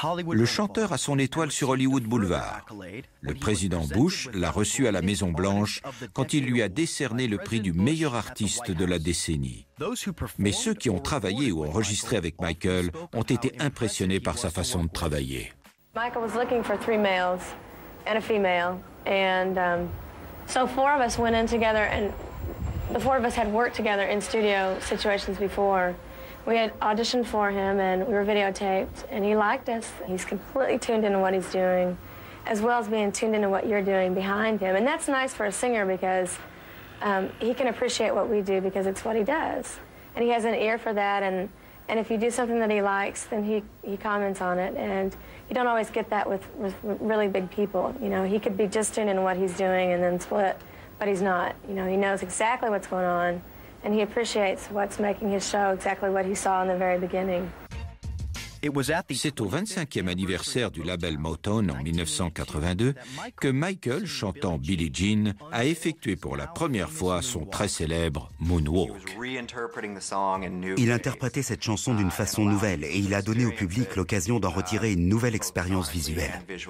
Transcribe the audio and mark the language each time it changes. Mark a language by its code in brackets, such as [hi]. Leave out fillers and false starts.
[fr] Le chanteur a son étoile sur Hollywood Boulevard. Le président Bush l'a reçu à la Maison Blanche quand il lui a décerné le prix du meilleur artiste de la décennie. Mais ceux qui ont travaillé ou enregistré avec Michael ont été impressionnés par sa façon de travailler. [en] Michael was looking for 3 males and a female, and so 4 of us went in together, and the 4 of us had worked together in studio situations before. We had auditioned for him and we were videotaped, and he liked us. He's completely tuned into what he's doing, as well as being tuned into what you're doing behind him. And that's nice for a singer, because he can appreciate what we do because it's what he does, and he has an ear for that. And if you do something that he likes, then he comments on it. And you don't always get that with really big people. You know, he could be just in what he's doing and then split, but he's not. You know, he knows exactly what's going on, and he appreciates what's making his show exactly what he saw in the very beginning. [fr] C'est au 25e anniversaire du label Motown en 1982 que Michael, chantant Billie Jean, a effectué pour la première fois son très célèbre Moonwalk. Il interprétait cette chanson d'une façon nouvelle et il a donné au public l'occasion d'en retirer une nouvelle expérience visuelle.